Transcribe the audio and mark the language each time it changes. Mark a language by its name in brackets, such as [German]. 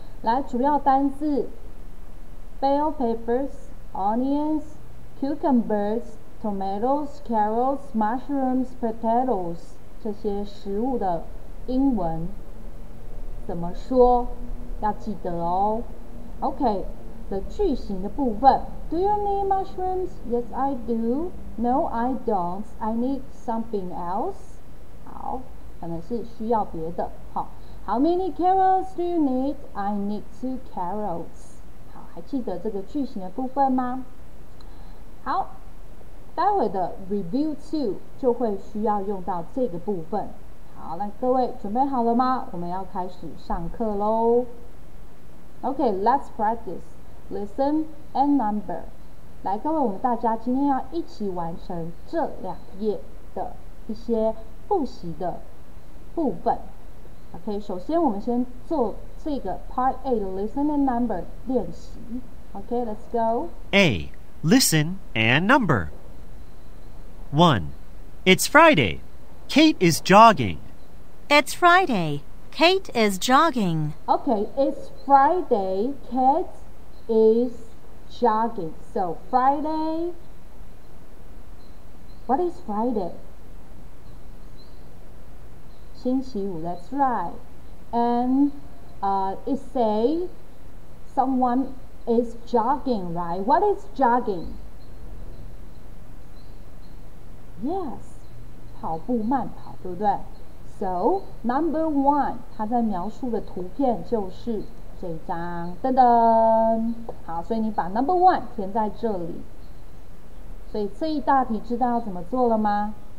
[Chinese] 来，主要单字 [English] Bell peppers, onions, cucumbers, tomatoes, carrots, mushrooms, potatoes [Chinese] 这些食物的英文怎么说，要记得哦。 OK， 的句型的部分， [English] Do you need mushrooms? Yes, I doNo, I don't. I need something else. [Chinese] 好，可能是需要别的。好， [English] How many carrots do you need? I need 2 carrots. [Chinese] 好，还记得这个句型的部分吗？好，待会的 review 2就会需要用到这个部分。好，那各位准备好了吗？我们要开始上课咯。 [English] OK, let's practice. Listen and number. [Chinese] 来，各位，我们大家今天要一起完成这两页的一些复习的部分。 OK， 首先我们先做这个 Part A 的 Listen and Number 练习。 [English] OK， let's go. A. Listen and Number. 1. It's Friday. Kate is jogging. It's Friday. Kate is jogging. OK, it's Friday. Kate is jogging. So, Friday. What is Friday? 星期五, that's right. And、it say someone is jogging, right? What is jogging? [Chinese] Yes, 跑步慢跑，对不对？ [English] So, number one, [Chinese] 它在描述的图片就是这张，噔噔。好，所以你把 number one 填在这里。所以这一大题知道要怎么做了吗？